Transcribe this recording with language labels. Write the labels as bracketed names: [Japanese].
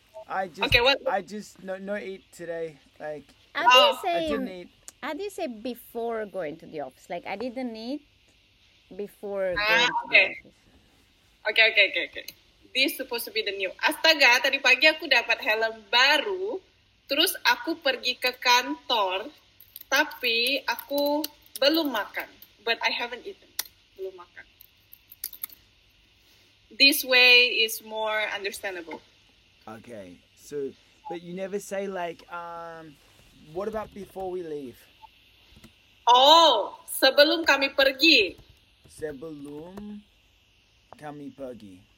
[English] I just okay, what? I just no eat today. Like How do you say before going to the office? Like I didn't eat before going to the office. Okay. This supposed to be the new. [Indonesian] Astaga, tadi pagi aku dapat helm baru. Terus aku pergi ke kantor, tapi aku belum makan. [English] But I haven't eaten. [Indonesian] Belum makan. [English] This way is more understandable. Okay. So, but you never say like, what about before we leave? [Indonesian] Oh, sebelum kami pergi. Sebelum kami pergi.